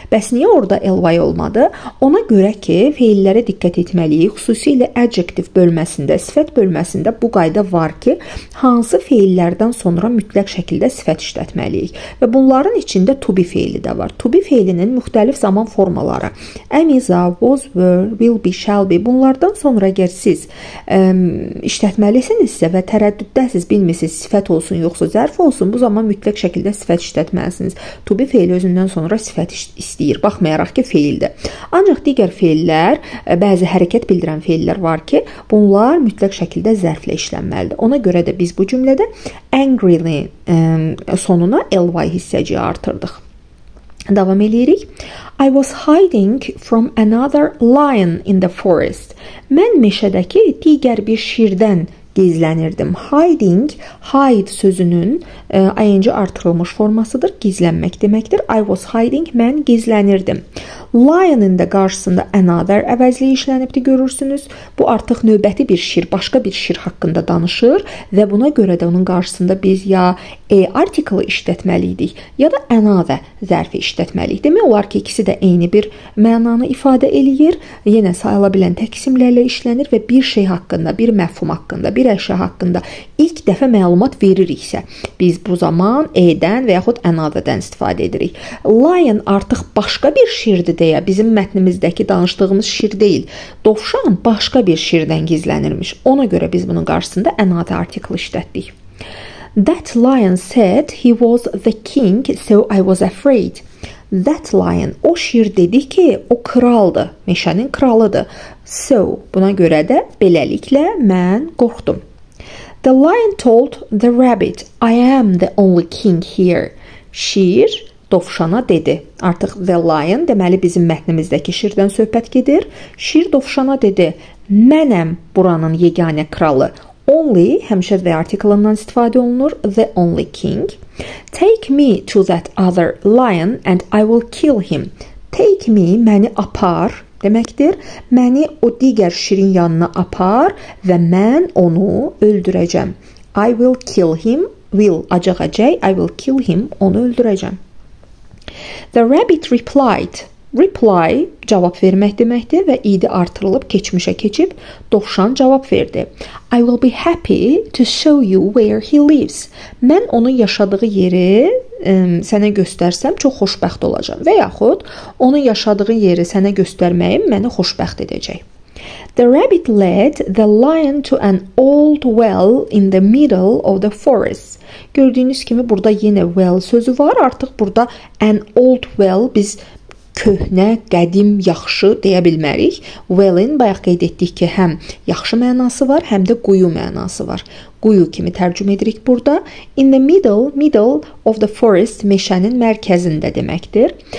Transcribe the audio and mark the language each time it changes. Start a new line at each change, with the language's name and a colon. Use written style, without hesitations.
Azerbaijani: Bəs niyə orada ly olmadı? Ona görə ki, feillərə diqqət etməliyik. Xüsusilə adjective bölməsində, sifət bölməsində bu qayda var ki, hansı feillərdən sonra mütləq şəkildə sifət işlətməliyik. Və bunların içində to be feili də var. To be feilinin müxtəlif zaman formaları.
English: Am, is, are, was, were, will be, shall be.
Azerbaijani: Bunlardan sonra əgər siz işlətməlisinizsə və tərəddüddəsiz, bilmirsiniz sifət olsun yoxsa zərf olsun, bu zaman mütləq şəkildə sifət işlətməlisiniz. To be feil özündən sonra sifət istəyir, baxmayaraq ki, feildir. Ancaq digər feillər, bəzi hərəkət bildirən feillər var ki, bunlar mütləq şəkildə zərflə işlənməlidir. Ona görə də biz bu cümlədə angrily sonuna ly hissəciyi artırdıq. Davam edirik.
English: I was hiding from another lion in the forest.
Azerbaijani: Mən meşədəki digər bir şirdən gizlənirdim. Hiding, hide sözünün ing artırılmış formasıdır. Gizlənmək deməkdir.
English: I was hiding,
Azerbaijani: mən gizlənirdim. Lion-ın da qarşısında another əvəzliyi işlənibdi, görürsünüz. Bu artıq növbəti bir şir, başqa bir şir haqqında danışır və buna görə də onun qarşısında biz ya e artiklı işlətməliydik, ya da another zərfi işlətməliyik. Demək olar ki, ikisi də eyni bir mənanı ifadə eləyir. Yenə sayıla bilən tək isimlərlə işlənir və bir şey haqqında, bir məfhum haqqında, bir əşya haqqında ilk dəfə məlumat veririksə, biz bu zaman e-dən və yaxud another-dən istifadə edirik. Lion artıq başqa bir şir deyə bizim mətnimizdəki danışdığımız şir deyil. Dovşan başqa bir şirdən gizlənirmiş. Ona görə biz bunun qarşısında another artikl işlətdik.
English: That lion said he was the king, so I was afraid. That lion,
Azerbaijani: o şir dedi ki, o kraldır, meşənin kralıdır. So, buna görə də beləliklə mən qorxdum.
English: The lion told the rabbit, I am the only king here.
Azerbaijani: Şir dovşana dedi. Artıq the lion, deməli bizim mətnimizdəki şirdən söhbət gedir. Şir dovşana dedi, mənəm buranın yeganə kralı. Only, həmişə the artikulundan istifadə olunur,
English: the only king. Take me to that other lion and I will kill him. Take me,
Azerbaijani: məni apar deməkdir. Məni o digər şirin yanına apar və mən onu öldürəcəm.
English: I will kill him,
Azerbaijani: will acığacaq, I will kill him, onu öldürəcəm.
English: The rabbit replied.
Azerbaijani: Reply, cavab vermək deməkdir və idi artırılıb keçmişə keçib, dovşan cavab verdi.
English: I will be happy to show you where he lives.
Azerbaijani: Mən onun yaşadığı yeri sənə göstərsəm çox xoşbəxt olacam və yaxud onun yaşadığı yeri sənə göstərməyim məni xoşbəxt edəcək.
English: The rabbit led the lion to an old well in the middle of the forest.
Azerbaijani: Gördüyünüz kimi burada yenə well sözü var, artıq burada
English: an old well
Azerbaijani: biz köhnə, qədim, yaxşı deyə bilmərik. Well-in bayaq qeyd etdik ki, həm yaxşı mənası var, həm də quyu mənası var. Quyu kimi tərcümə edirik burada.
English: In the middle, middle of the forest,
Azerbaijani: meşənin mərkəzində deməkdir.